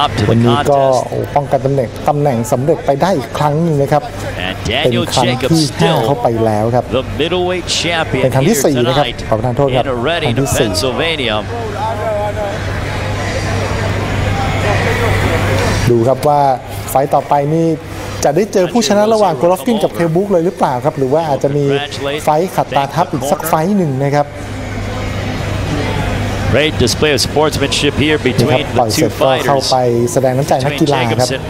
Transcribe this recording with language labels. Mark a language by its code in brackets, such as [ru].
[th] วันนี้ก็ป้องกันตำแหน่งสำเร็จไปได้อีกครั้งนึงนะครับเป็นครั้งที่5เข้าไปแล้วครับเป็นครั้งที่4นะครับขอประทานโทษครับครั้งที่4ดูครับว่าไฟต่อไปนี่จะได้เจอผู้ชนะระหว่างโกลอฟกินกับเคบุ๊กเลยหรือเปล่าครับหรือว่าอาจจะมีไฟขัดตาทับอีกสักไฟหนึ่งนะครับ [en] Great display of sportsmanship here between the two fighters. [th] เข้าไปแสดงน้ำใจนักกีฬาครับ